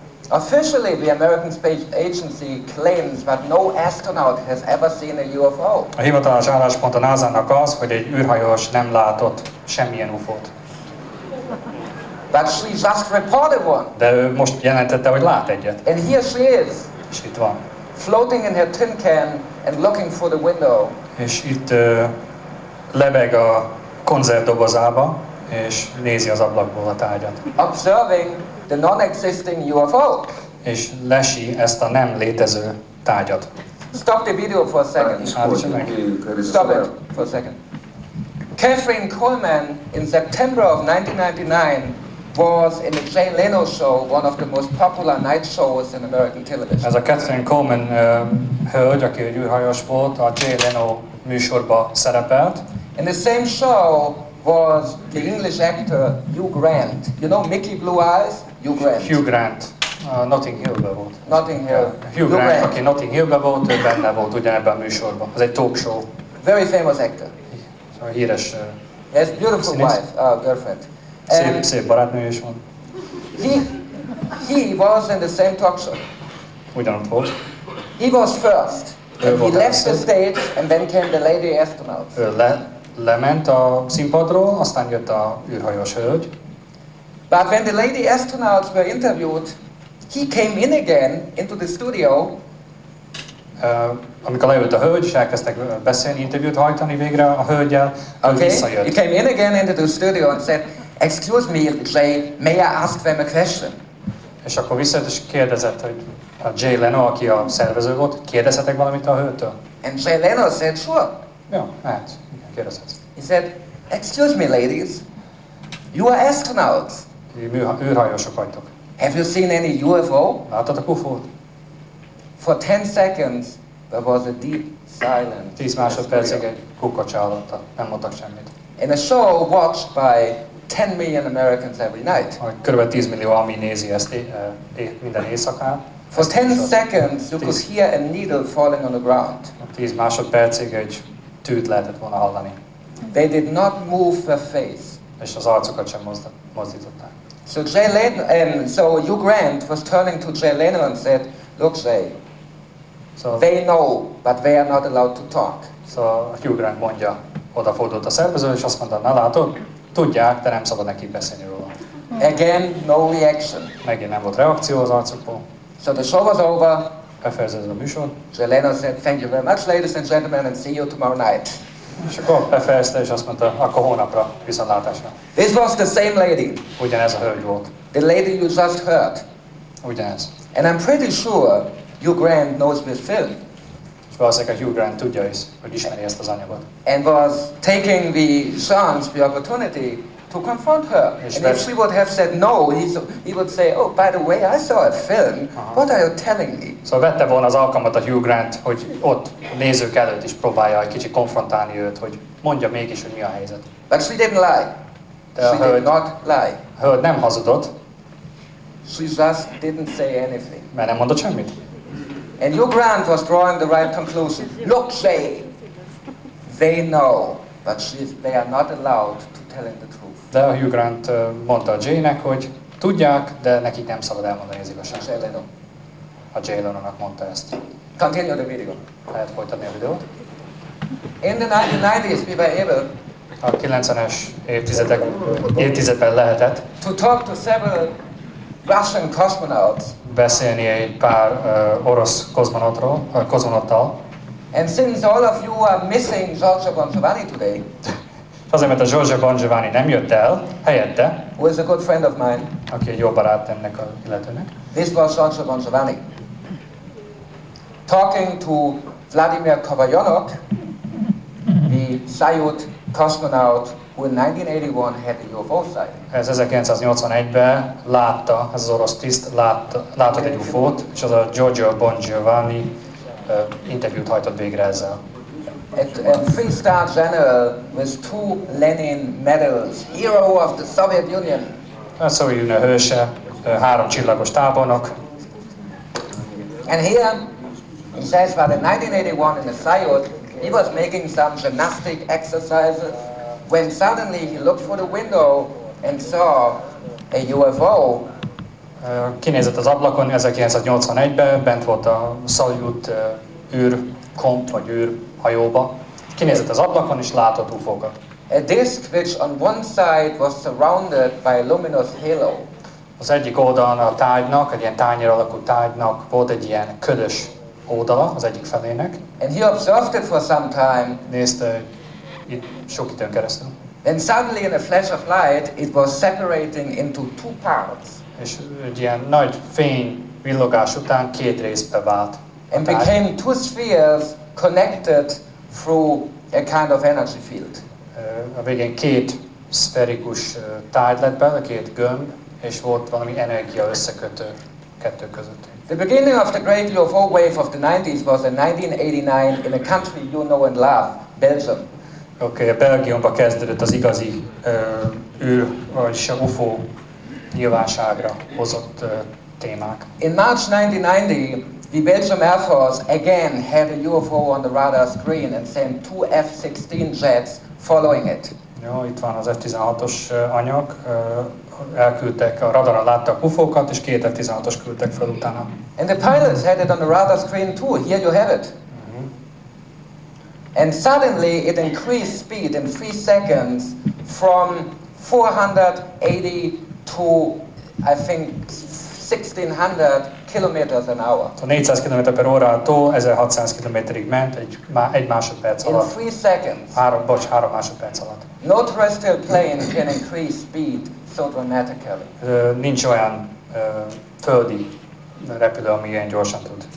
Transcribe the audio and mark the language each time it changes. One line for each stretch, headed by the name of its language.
English: Officially, the American Space Agency claims that no astronaut has ever seen a UFO.
Hungarian: A hivatalos álláspont a NASA-nak az, hogy egy űrhajós nem látott semmilyen UFO-t.
English: But she just reported one.
Hungarian: De ő most jelentette, hogy lát egyet.
English: And here she is.
Hungarian: És itt van.
English: Floating in her tin can and looking through the window.
Hungarian: És itt lebeg a konzervdobozába, és nézi az ablakból a tárgyat.
English: Observing the non-existing UFO.
Hungarian: És lesi ezt a nem létező tárgyat.
English: Stop the video for a second. Stop it for a second. Catherine Coleman in September of 1999 was in the Jay Leno show, one of the most popular night shows in American television.
Hungarian: Ez a Catherine Coleman hölgy, aki egy űrhajós volt, a Jay Leno műsorba szerepelt.
English: In the same show was the English actor Hugh Grant. You know Mickey Blue Eyes? Hugh Grant.
Hungarian: Hugh Grant. Notting Hill-be volt.
English: Notting Hill.
Hungarian: Hugh Grant, aki Notting Hill-be volt, ő benne volt ugyanebben a műsorban. Az egy talk show.
English: Very famous actor.
Hungarian: A híres
English: Yes, beautiful
Hungarian: színész.
English: Wife, girlfriend.
Hungarian: Szép barátnő is van.
English: He was in the same talk show.
Hungarian: Ugyanott volt.
English: He was first. He left the stage and then came the lady astronaut.
Hungarian: Lement a színpadról, aztán jött a űrhajós hölgy.
English: But when the lady astronauts were interviewed, he came in again into the studio.
Hungarian: Amikor leült a hölgy, és elkezdtek beszélni, interjút hajtani végre a hölgyel, okay. Visszajött.
English: He came in again into the studio and said, excuse me, Jay, may I ask them a question?
Hungarian: És akkor visszajött, és kérdezett, hogy a Jay Leno, aki a szervező volt, kérdezhetek valamit a hölgytől?
English: And Jay Leno said, sure.
Hungarian: Ja, lehet.
English: He said, excuse me ladies, you are astronauts.
Hungarian: űrhajósok vagytok.
English: Have you seen any UFO?
Hungarian: Láttatok UFO-t?
English: For 10 seconds there was a deep silence.
Hungarian: 10 másodpercig egy kukacsa hallotta, nem mondtak semmit.
English: In a show watched by 10 million Americans every night.
Hungarian: Körülbelül 10 millió ami nézi ezt minden éjszakán.
English: For 10 seconds you could hear a needle falling on the ground.
Hungarian: 10 másodpercig egy tűt lehetett volna hallani.
English: They did not move their face.
Hungarian: És az arcukat sem mozdították.
English: So Jay Leno, so Hugh Grant was turning to Jay Leno and said, "Look, Jay. So they know, but they are not allowed to talk."
Hungarian: So Hugh Grant mondja, odafordult a szervező, és azt mondta, na látod, tudják, de nem szabad neki beszélni róla.
English: Again, no reaction.
Hungarian: Megint nem volt reakció az arcukból.
English: So the show was over.
Hungarian: Befejeződött a műsor.
English: Jay Leno said, "Thank you very much, ladies and gentlemen, and see you tomorrow night."
Hungarian: És akkor befejezte, és azt mondta, akkor hónapra viszontlátásra.
English: This was the same lady.
Hungarian: Ugyanez a hölgy volt.
English: The lady you just heard.
Hungarian: Ugyanez.
English: And I'm pretty sure Hugh Grant knows this film.
Hungarian: És valószínűleg Hugh Grant tudja is, hogy ismeri ezt az anyagot.
English: And was taking the chance, the opportunity to confront her. And if she would have said no, he would say, "Oh, by the way, I saw a film. What are you telling me?"
Hungarian: Szóval vette volna az alkalmat a Hugh Grant, hogy ott a nézők előtt is próbálja egy kicsit konfrontálni őt, hogy mondja mégis, hogy mi a helyzet.
English: But she didn't lie.
Hungarian: A hölgy nem hazudott.
English: She just didn't say anything.
Hungarian: Mert nem mondott semmit.
English: And Hugh Grant was drawing the right conclusion. Look, Jay, they know, but they are not allowed to tell him the truth.
Hungarian: De a Hugh Grant mondta a Jay-nek, hogy tudják, de nekik nem szabad elmondani az igazságot. A Jay Leno-nak mondta ezt.
English: Continue the video.
Hungarian: Lehet folytatni a videót.
English: In the 1990s we were able...
Hungarian: A 90-es évtizedben lehetett...
English: ...to talk to several Russian cosmonauts...
Hungarian: ...beszélni egy pár orosz kozmonauttal.
English: And since all of you are missing Giorgio Bonzovani today...
Hungarian: Azért, mert a Giorgio Bon Giovanni nem jött el, helyette.
English: Who is a good friend of mine.
Hungarian: Aki egy jó barát ennek a illetőnek.
English: This was Giorgio Bon Giovanni. Talking to Vladimir Kovalyanok, the Soyuz cosmonaut who in 1981 had a UFO sighting.
Hungarian: Ez 1981-ben látta, ez az orosz tiszt, látott egy UFO-t, és az a Giorgio Bon Giovanni interjút hajtott végre ezzel.
English: A three-star general with two Lenin medals, hero of the Soviet Union.
Hungarian: A Soviet Unió hőse, három csillagos tábornok.
English: And here, he says that in 1981 in the Soyuz, he was making some gymnastic exercises when suddenly he looked through the window and saw a UFO.
Hungarian: Kinézett az ablakon 1981-ben, bent volt a Soyuz űrkomp, vagy űr hajóba. Kinézett az ablakon és látott UFO-kat.
English: A disk which on one side was surrounded by a luminous halo.
Hungarian: Az egyik oldalon a tárgynak, egy ilyen tányér alakú tárgynak volt egy ilyen ködös oldala az egyik felének.
English: And he observed it for some time.
Hungarian: Nézte itt sok időn keresztül.
English: And suddenly in a flash of light it was separating into two parts.
Hungarian: És egy ilyen nagy fény villogás után két részbe vált.
English: And became two spheres connected through a kind of energy field.
Hungarian: A végén két szferikus tárgy lett belőle, két gömb, és volt valami energia összekötő kettő között.
English: The beginning of the great UFO wave of the 90s was in 1989 in a country you know and love, Belgium.
Hungarian: Okay, a Belgiumban kezdődött az igazi űr, vagyis a UFO nyilvánosságra hozott témák.
English: In March 1990, the Belgium Air Force again had a UFO on the radar screen and sent two F-16 jets following it.
Hungarian: Jó, itt van az F-16-os anyag. Elküldtek, a radaron láttak UFO-kat, és két F-16-os küldtek fel utána.
English: And the pilots had it on the radar screen too. Here you have it. And suddenly it increased speed in 3 seconds from 480 to, I think, 1600 kilometers an hour.
Hungarian: A 400 km per órától 1600 km-ig ment egy másodperc alatt.
English: In 3 seconds.
Hungarian: Három másodperc alatt.
English: No terrestrial plane can increase speed so dramatically.
Hungarian: Nincs olyan földi repülő, ami ilyen gyorsan tud.